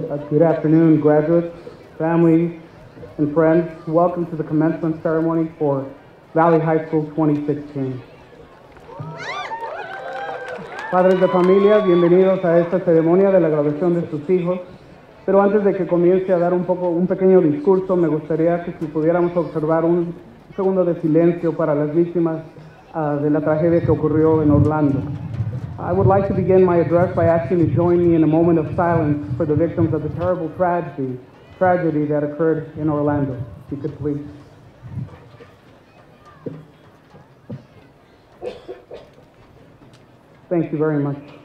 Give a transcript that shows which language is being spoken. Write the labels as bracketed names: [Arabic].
[English] Good afternoon, graduates, family, and friends. Welcome to the commencement ceremony for Valley High School 2016. [Spanish] Padres de familia, bienvenidos a esta ceremonia de la graduación de sus hijos. Pero antes de que comience a dar un pequeño discurso, me gustaría que si pudiéramos observar un segundo de silencio para las víctimas de la tragedia que ocurrió en Orlando. [English] I would like to begin my address by asking you to join me in a moment of silence for the victims of the terrible tragedy that occurred in Orlando. If you could please. Thank you very much.